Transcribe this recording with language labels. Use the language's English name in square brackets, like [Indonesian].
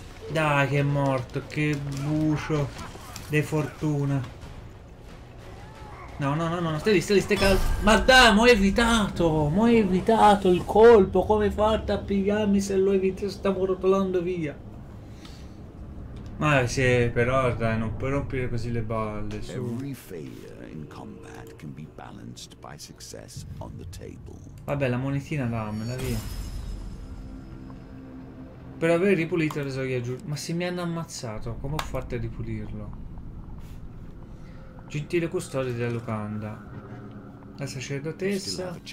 [Italian] Dai che è morto. Che bucio de fortuna. No, no, no, no. Stai lì, stai lì, stai calmo. Ma dai, m'ho evitato. M'ho evitato il colpo. Come hai fatto a pigliarmi se lo evito? Stavo rotolando via. Ma sì, però dai, non puoi rompere così le balle. Su. [English] Every failure in combat can be balanced by success on the table. [Italian] Vabbè, la monetina dammela via. Per aver ripulito la soglia giù. Ma se mi hanno ammazzato, come ho fatto a ripulirlo? Gentile custode della locanda. La sacerdotessa.